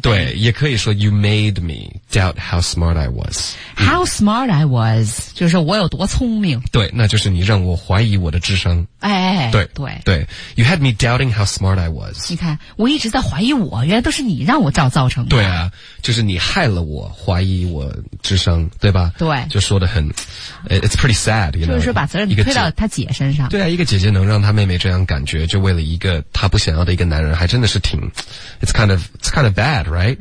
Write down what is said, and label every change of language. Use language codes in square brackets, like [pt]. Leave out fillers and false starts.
[zh] 对也可以说 [en] You made me doubt how smart I was How smart I was [zh] 就是我有多聪明对那就是你让我怀疑我的智商哎对对 [en] 对You had me doubting how smart I was. [zh] 你看，我一直在怀疑我，原来都是你让我造成的。对啊，就是你害了我，怀疑我智商，对吧？对，就说得很 [en] ，it's pretty sad， you know, [zh] 就是把责任推到他姐身上。对啊，一个姐姐能让她妹妹这样感觉，就为了一个她不想要的一个男人，还真的是挺 ， [en] it's kind of bad， right？